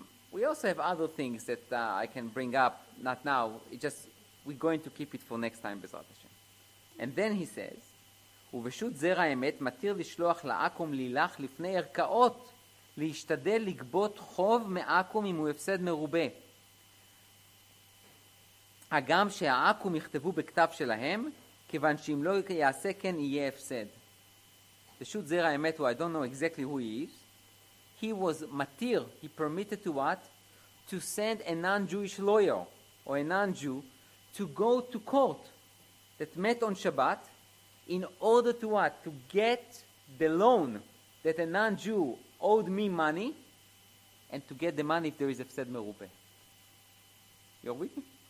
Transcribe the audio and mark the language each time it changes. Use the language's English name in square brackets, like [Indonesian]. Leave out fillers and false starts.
[English] We also have other things that I can bring up, not now. It just, we're going to keep it for next time, Bezrat Hashem. And then he says, [Hebrew] ובשוט זרע אמת מתיר לשלוח לאקום לילך לפני ערכאות, להשתדל לגבות חוב מאקום אם הוא הפסד מרובה. הגם שהאקום יכתבו בכתב שלהם, כיוון שאם לא יעשה כן יהיה הפסד. [English] פשוט זרע האמת, I don't know exactly who he is. He was matir, he permitted to what? To send a non-Jewish lawyer, or a non-Jew, to go to court that met on Shabbat, in order to what? To get the loan that a non-Jew owed me money, and to get the money if there is a fsed merupe. You're with me?